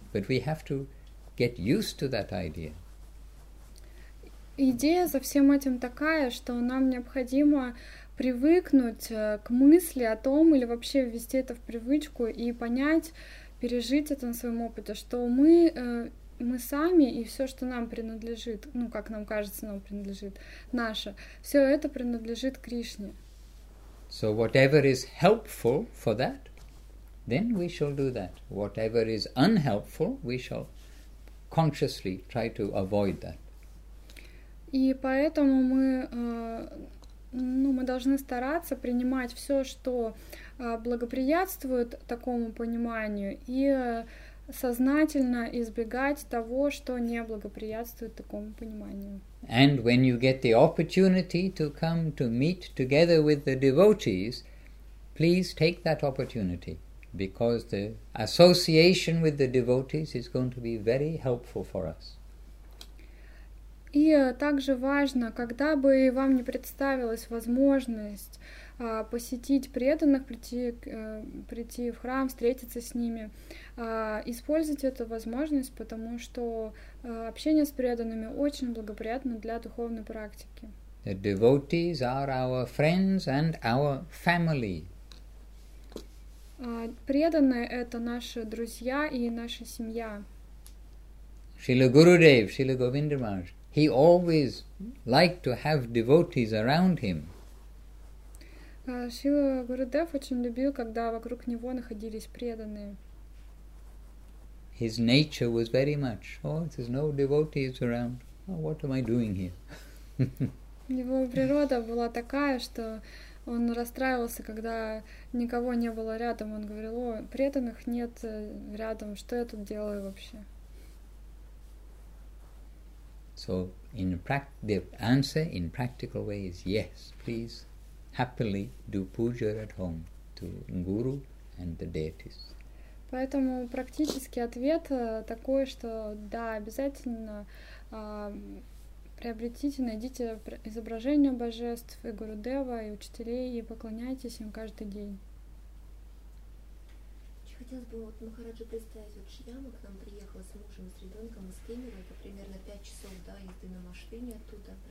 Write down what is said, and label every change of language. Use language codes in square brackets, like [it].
[en] But we have to get used to that idea. [ru] Идея за всем этим такая, что нам необходимо привыкнуть к мысли о том, или вообще ввести это в привычку и понять, пережить это на своем опыте, что мы сами и все, что нам принадлежит, ну, как нам кажется, нам принадлежит, наше, все это принадлежит Кришне. [en] So whatever is helpful for that, then we shall do that. Whatever is unhelpful, we shall consciously try to avoid that. [ru] И поэтому мы, ну, мы должны стараться принимать все, что благоприятствует такому пониманию, и сознательно избегать того, что не благоприятствует такому пониманию. [en] And when you get the opportunity to come to meet together with the devotees, please take that opportunity, because the association with the devotees is going to be very helpful for us. [ru] И также важно, когда бы вам не представилась возможность посетить преданных, прийти в храм, встретиться с ними, используйте эту возможность, потому что общение с преданными очень благоприятно для духовной практики. [en] The devotees are our friends and our family. [ru] Преданные — это наши друзья и наша семья. Шрила Гурудев, Шрила Говинда Махарадж. [en] He always liked to have devotees around him. [ru] Шрила Гурудев очень любил, когда вокруг него находились преданные. [en] His nature was very much, oh, there's no devotees around, oh, what am I doing here? [ru] Его природа была такая, что он расстраивался, когда никого не было рядом. Он говорил, о, преданных нет рядом, что я тут делаю вообще? [en] So in the answer in practical way is yes, please happily do puja at home to Guru and the deities. [ru] Поэтому практический ответ такой, что да, обязательно приобретите, найдите изображение божеств и Гуру Дева, и учителей, и поклоняйтесь им каждый день. Хотелось бы вот Махараджи представить, вот Шьяма к нам приехала с мужем, с ребенком, с Кемерой, это примерно 5 часов, да, езды на машине оттуда.